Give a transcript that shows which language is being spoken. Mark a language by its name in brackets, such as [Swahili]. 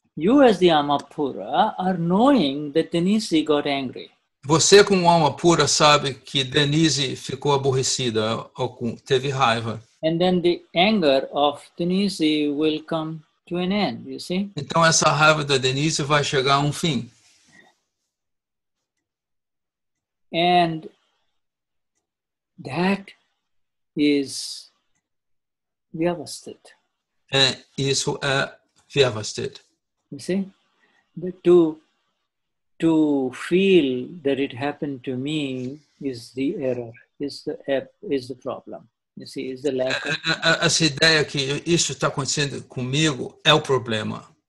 [English] You as the Amapura are knowing that Denise got angry. [Portuguese] Você como alma pura sabe que Denise ficou aborrecida ou teve raiva. [English] And then the anger of Denise will come to an end, you see? [Portuguese] Então essa raiva da Denise vai chegar a um fim. [English] And that is Vyavasthit. [Portuguese] Isso é Vyavasthit. [English] You see? To feel that it happened to me is the error, is the problem. [Portuguese] Essa ideia que isso está acontecendo comigo é o problema.